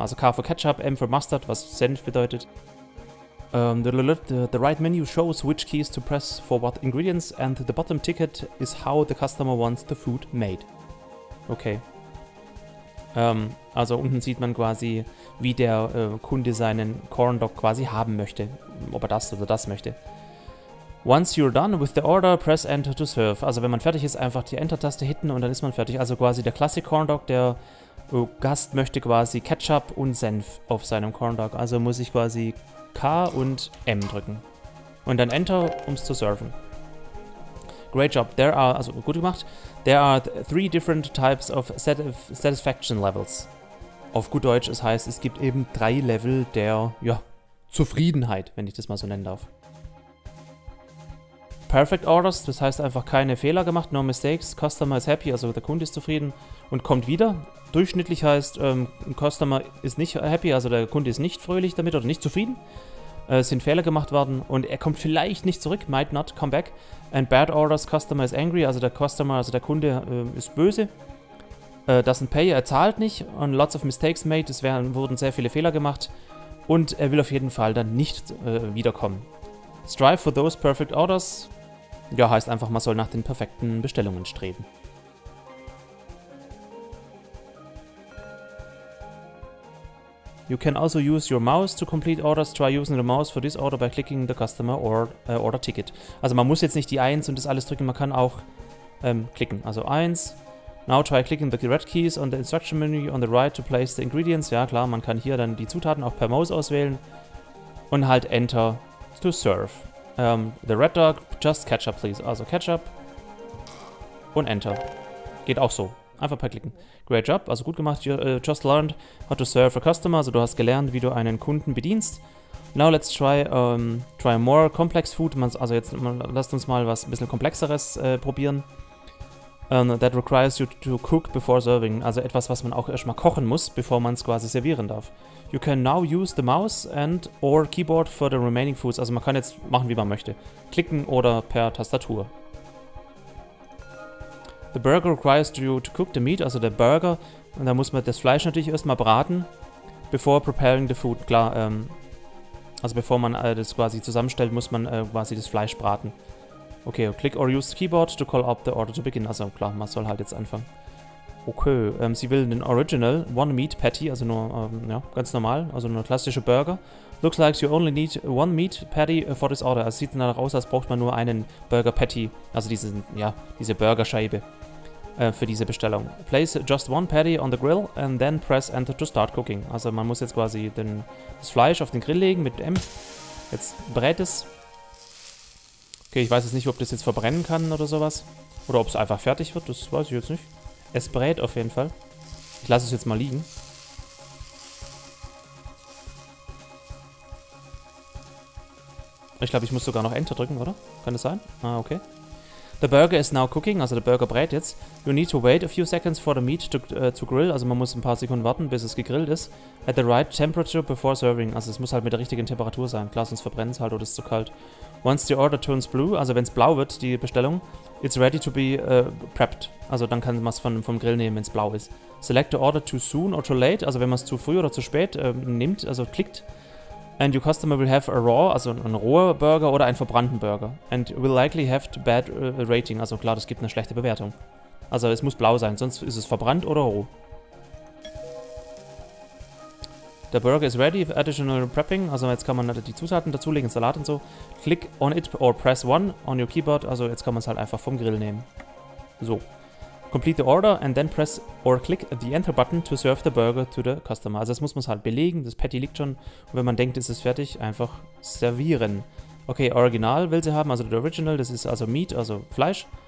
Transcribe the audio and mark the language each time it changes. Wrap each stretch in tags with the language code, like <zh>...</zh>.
<de>Also K für Ketchup, M für Mustard, was Senf bedeutet.</de> <en>The right menu shows which keys to press for what ingredients and the bottom ticket is how the customer wants the food made. Okay.</en> <de>Also unten sieht man quasi, wie der Kunde seinen Corn Dog quasi haben möchte, ob er das oder das möchte.</de> <en>Once you're done with the order, press Enter to serve.</en> <de>Also wenn man fertig ist, einfach die Enter-Taste hitten und dann ist man fertig. Also quasi der Classic Corn Dog, der Gast möchte quasi Ketchup und Senf auf seinem Corn Dog. Also muss ich quasi K und M drücken. Und dann Enter, um es zu serven.</de> <en>Great job. There are,</en> <de>also gut gemacht.</de> <en>There are three different types of satisfaction levels.</en> <de>Auf gut Deutsch, es heißt, es gibt eben drei Level der, ja, Zufriedenheit, wenn ich das mal so nennen darf.</de> <en>Perfect orders,</en> <de>das heißt einfach keine Fehler gemacht,</de> <en>no mistakes. Customer is happy,</en> <de>also der Kunde ist zufrieden und kommt wieder. Durchschnittlich heißt, Customer ist nicht happy, also der Kunde ist nicht fröhlich damit oder nicht zufrieden. Es sind Fehler gemacht worden und er kommt vielleicht nicht zurück,</de> <en>might not come back. And bad orders, customer is angry,</en> <de>also der Customer, also der Kunde ist böse.</de> <en>Doesn't pay,</en> <de>er zahlt nicht.</de> <en>And lots of mistakes made,</en> <de>es werden, wurden sehr viele Fehler gemacht. Und er will auf jeden Fall dann nicht wiederkommen.</de> <en>Strive for those perfect orders.</en> <de>Ja, heißt einfach, man soll nach den perfekten Bestellungen streben.</de> <en>You can also use your mouse to complete orders. Try using the mouse for this order by clicking the customer or, order ticket.</en> <de>Also man muss jetzt nicht die 1 und das alles drücken, man kann auch klicken. Also 1.</de> <en>Now try clicking the red keys on the instruction menu on the right to place the ingredients.</en> <de>Ja klar, man kann hier dann die Zutaten auch per Maus auswählen. Und halt Enter</de> <en>to serve. The red dog, just ketchup please.</en> <de>Also ketchup. Und Enter. Geht auch so. Einfach per klicken.</de> <en>Great job,</en> <de>also gut gemacht.</de> <en>Just learned how to serve a customer.</en> <de>Also du hast gelernt, wie du einen Kunden bedienst.</de> <en>Now let's try try more complex food.</en> <de>Also jetzt lasst uns mal was ein bisschen komplexeres probieren.</de> <en>That requires you to cook before serving.</en> <de>Also etwas, was man auch erstmal kochen muss, bevor man es quasi servieren darf.</de> <en>You can now use the mouse and or keyboard for the remaining foods.</en> <de>Also man kann jetzt machen, wie man möchte. Klicken oder per Tastatur.</de> <en>The burger requires you to cook the meat,</en> <de>also der Burger. Und da muss man das Fleisch natürlich erstmal braten,</de> <en>before preparing the food.</en> <de>Klar, also bevor man das quasi zusammenstellt, muss man quasi das Fleisch braten.</de> <en>Okay, click or use the keyboard to call up the order to begin.</en> <de>Also klar, man soll halt jetzt anfangen. Okay, sie will den Original,</de> <en>one meat patty,</en> <de>also nur ja, ganz normal, also nur klassische Burger.</de> <en>Looks like you only need one meat patty for this order.</en> <de>Also sieht danach aus, als braucht man nur einen Burger patty, also diesen, ja, diese Burgerscheibe für diese Bestellung.</de> <en>Place just one patty on the grill and then press enter to start cooking.</en> <de>Also man muss jetzt quasi das Fleisch auf den Grill legen mit M. Jetzt brät es. Okay, ich weiß jetzt nicht, ob das jetzt verbrennen kann oder sowas. Oder ob es einfach fertig wird, das weiß ich jetzt nicht. Es brät auf jeden Fall. Ich lasse es jetzt mal liegen. Ich glaube, ich muss sogar noch Enter drücken, oder? Kann das sein? Ah, okay.</de> <en>The burger is now cooking,</en> <de>also der Burger brät jetzt.</de> <en>You need to wait a few seconds for the meat to grill.</en> <de>Also man muss ein paar Sekunden warten, bis es gegrillt ist.</de> <en>At the right temperature before serving.</en> <de>Also es muss halt mit der richtigen Temperatur sein. Klar, sonst verbrennt es halt oder ist zu kalt.</de> <en>Once the order turns blue,</en> <de>also wenn es blau wird, die Bestellung,</de> <en>it's ready to be prepped.</en> <de>Also dann kann man es vom Grill nehmen, wenn es blau ist.</de> <en>Select the order too soon or too late.</en> <de>Also wenn man es zu früh oder zu spät nimmt, also klickt,</de> <en>And your customer will have a raw,</en> <de>also ein roher Burger oder einen verbrannten Burger.</de> <en>And will likely have a bad rating.</en> <de>Also klar, das gibt eine schlechte Bewertung. Also es muss blau sein, sonst ist es verbrannt oder roh.</de> <en>The burger is ready for additional prepping.</en> <de>Also jetzt kann man die Zutaten dazulegen, Salat und so.</de> <en>Click on it or press 1 on your keyboard.</en> <de>Also jetzt kann man es halt einfach vom Grill nehmen. So.</de> <en>Complete the order and then press or click the enter button to serve the burger to the customer.</en> <de>Also jetzt muss man es halt belegen, das Patty liegt schon. Und wenn man denkt, ist es fertig, einfach servieren. Okay, original will sie haben, also</de> <en>the original,</en> <de>das ist also meat, also Fleisch.</de>